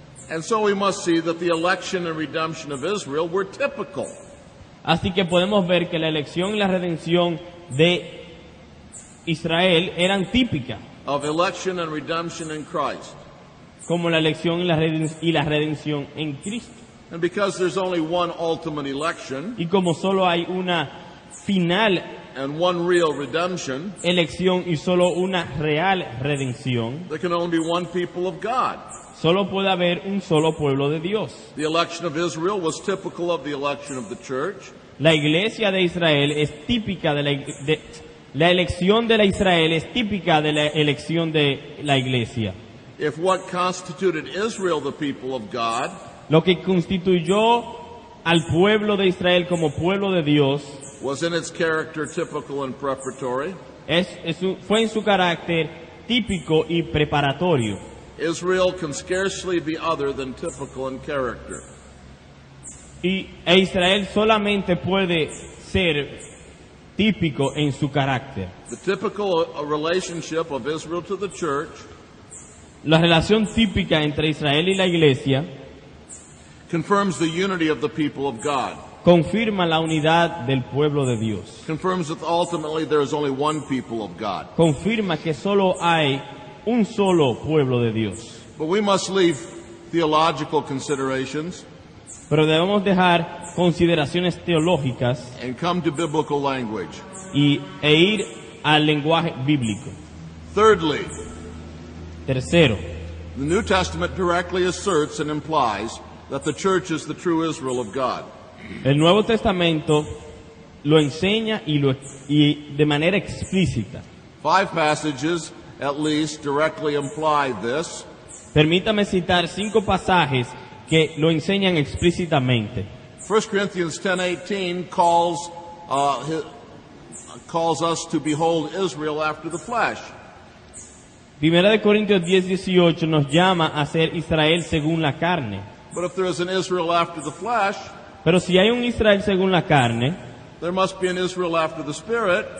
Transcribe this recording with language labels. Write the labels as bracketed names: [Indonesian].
[English] And so we must see that the election and redemption of Israel were typical. [Spanish] Así que podemos ver que la elección y la redención de Israel eran típica. [English] Of election and redemption in Christ. [Spanish] Como la elección y la redención en Cristo. [English] And because there's only one ultimate election, [Spanish] y como solo hay una final [English] and one real redemption, [Spanish] elección y solo una real redención, [English] there can only be one people of God. [Spanish] Solo puede haber un solo pueblo de Dios. [English] The election of Israel was typical of the election of the church. [Spanish] La iglesia de Israel es típica de la, de, La elección de la Israel es típica de la elección de la iglesia. [English] If what constituted Israel the people of God, [Spanish] lo que constituyó al pueblo de Israel como pueblo de Dios, [English] was in its character typical and preparatory. [Spanish] Fue en su carácter típico y preparatorio. [English] Israel can scarcely be other than typical in character. [Spanish] E Israel solamente puede ser típico en su carácter. [English] The typical relationship of Israel to the church, [Spanish] la relación típica entre Israel y la iglesia, [English] confirms the unity of the people of God. [Spanish] Confirma la unidad del pueblo de Dios. [English] Confirms that ultimately there is only one people of God. [Spanish] Confirma que solo hay un solo pueblo de Dios. [English] But we must leave theological considerations. [Spanish] Pero debemos dejar consideraciones teológicas. [English] And come to biblical language. [Spanish] E ir al lenguaje bíblico. [English] Thirdly. [Spanish] Tercero. [English] The New Testament directly asserts and implies that the church is the true Israel of God. [Spanish] El Nuevo Testamento lo enseña y de manera explícita. [English] Five passages at least directly imply this. [Spanish] Permítame citar cinco pasajes que lo enseñan explícitamente. [English] 1 Corinthians 10:18 calls us to behold Israel after the flesh. [Spanish] Primera de Corintios 10:18 nos llama a ser Israel según la carne. [English] But if there is an Israel after the flesh, [Spanish] pero si hay un Israel según la carne, [English] there must be an Israel after the Spirit.